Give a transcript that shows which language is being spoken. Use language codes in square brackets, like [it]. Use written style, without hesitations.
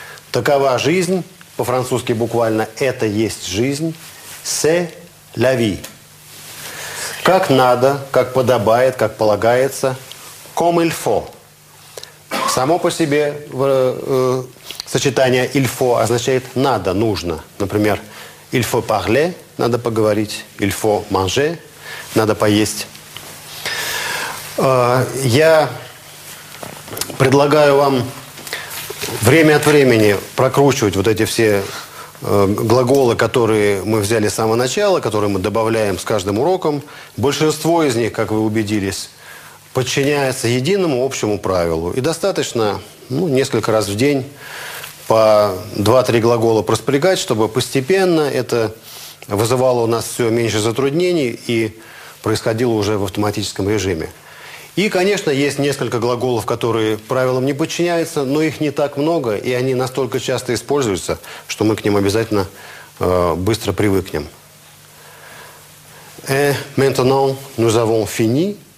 [ru] Такова жизнь, по-французски буквально «это есть жизнь», [fr] «c'est la vie». [ru] Как надо, как подобает, как полагается, [fr] «comme il faut». [ru] Само по себе сочетание «il faut» означает «надо», «нужно». Например, [fr] «il faut parler» [ru] – «надо поговорить», [fr] «il faut manger» [ru] – «надо поесть». Я предлагаю вам время от времени прокручивать вот эти все глаголы, которые мы взяли с самого начала, которые мы добавляем с каждым уроком. Большинство из них, как вы убедились, подчиняется единому общему правилу. И достаточно несколько раз в день по 2-3 глагола проспрягать, чтобы постепенно это вызывало у нас все меньше затруднений и происходило уже в автоматическом режиме. И, конечно, есть несколько глаголов, которые правилам не подчиняются, но их не так много, и они настолько часто используются, что мы к ним обязательно быстро привыкнем. [fr] Et maintenant, nous avons fini.